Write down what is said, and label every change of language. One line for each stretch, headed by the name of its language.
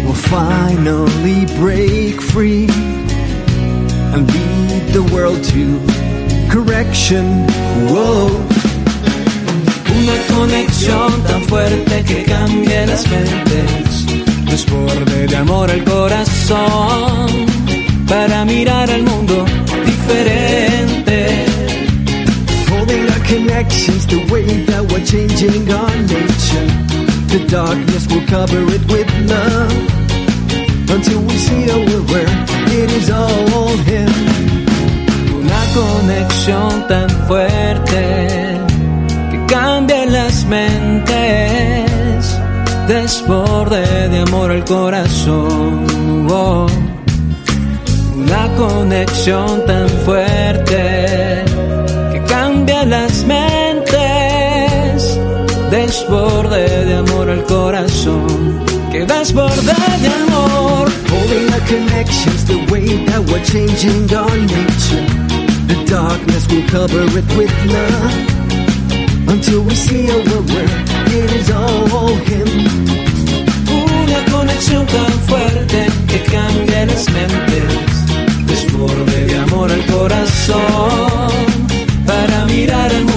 English: Finally break free and lead the world to correction. Whoa.
Spanish: Una conexión tan fuerte que cambie las mentes. Desborde de amor al corazón. Para mirar al mundo diferente.
English: Holding our connections the way that we're changing our nature. The darkness will cover it with love. Until we see a world where it is all Him.
Spanish: Una conexión tan fuerte que cambia las mentes. Desborde de amor al corazón. Oh. Una conexión tan fuerte que cambia las mentes. Desborde de amor al corazón. Que desborde de amor.
English: Holding our connections the way that we're changing our nature. The darkness will cover it with love. Until we see a world where it is all Him.
Spanish: Una conexión tan fuerte que cambia las mentes. Desborde de amor al corazón. Para mirar